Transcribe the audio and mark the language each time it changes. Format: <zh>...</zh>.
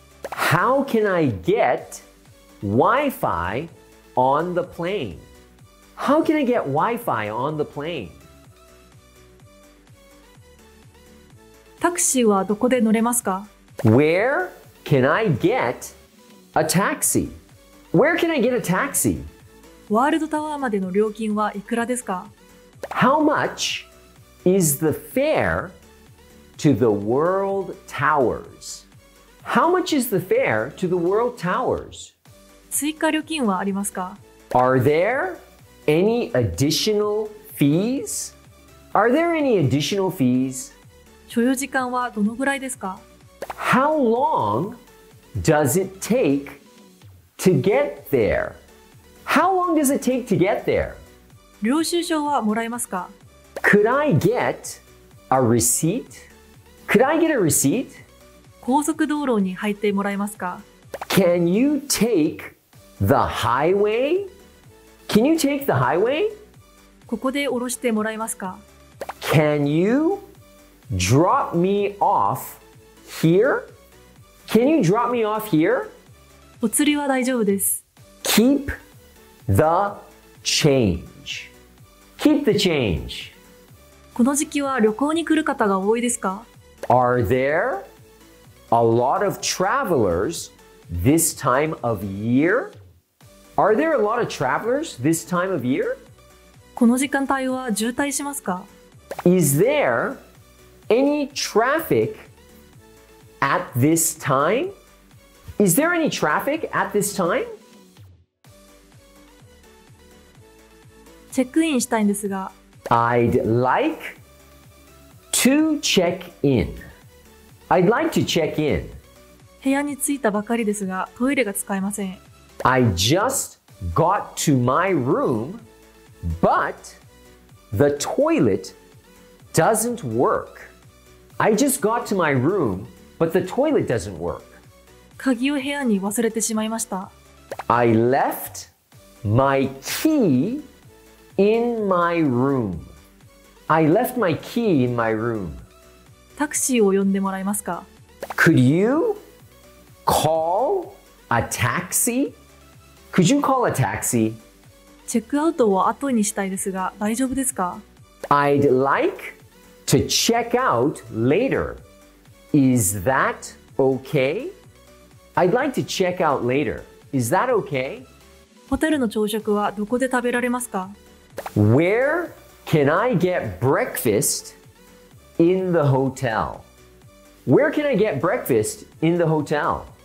<en>How can I get Wi-Fi on the plane? How can I get Wi-Fi on the plane?</en> <ja>タクシーはどこで乗れますか?</ja> <en>Where can I get a taxi? Where can I get a taxi?</en> <ja>ワールドタワーまでの料金はいくらですか?</ja> <en>How much is the fare to the World Towers? How much is the fare to the World Towers?</en> <ja>追加料金はありますか?</ja> <en>Are there any additional fees? Are there any additional fees?</en> <ja>所要時間はどのぐらいですか?</ja> <en>How long does it take to get there? How long does it take to get there?</en> <ja>領収書はもらえますか?</ja> <en>Could I get a receipt? Could I get a receipt?</en> <ja>高速道路に入ってもらえますか?</ja> <en>Can you take the highway? Can you take the highway?</en> <ja>ここで降ろしてもらえますか?</ja> <en>Can you drop me off here? Can you drop me off here?</en> <ja>お釣りは大丈夫です。</ja> <en>Keep the change. Keep the change.</en> <ja>この時期は旅行に来る方が多いですか?</ja> <en>Are there a lot of travelers this time of year? Are there a lot of travelers this time of year?</en> <ja>この時間帯は渋滞しますか?</ja> <en>Is there any traffic at this time? Is there any traffic at this time?</en> <ja>チェックインしたいんですが。</ja> <en>I'd like to check in. I'd like to check in.</en> <ja>部屋に着いたばかりですが、トイレが使えません。</ja> <en>I just got to my room, but the toilet doesn't work. I just got to my room, but the toilet doesn't work.</en> <ja>鍵を部屋に忘れてしまいました。</ja> <en>I left my key in my room. I left my key in my room.</en> <ja>タクシーを呼んでもらえますか?</ja> <en>Could you call a taxi? Could you call a taxi?</en> <ja>チェックアウトは後にしたいですが、大丈夫ですか?</ja> <en>I'd like to check out later. Is that okay? I'd like to check out later. Is that okay?</en> <ja>ホテルの朝食はどこで食べられますか?</ja> <en>Where can I get breakfast in the hotel? Where can I get breakfast in the hotel?</en>